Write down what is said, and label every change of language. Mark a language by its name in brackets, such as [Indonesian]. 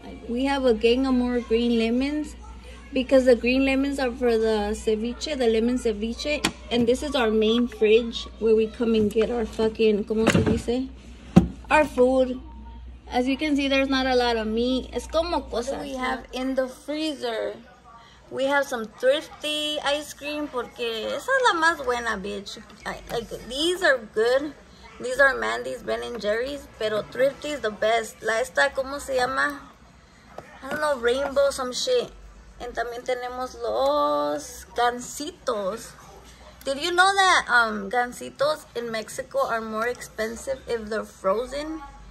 [English] We have a gang of more green lemons because the green lemons are for the ceviche, the lemon ceviche. And this is our main fridge where we come and get our fucking, [Spanish] ¿cómo se dice? [English] Our food. As you can see, there's not a lot of meat. [Spanish] Es como cosas. [English] What do we have in the freezer? We have some thrifty ice cream [Spanish] porque esa es la más buena, [English] bitch. Like, these are good. These are Mandy's, Ben and Jerry's, pero thrifty is the best. [Spanish] La esta, ¿cómo se llama? [English] I don't know, rainbow, some shit. [Spanish] And también tenemos los gansitos. [English] Did you know that gansitos in Mexico are more expensive if they're frozen?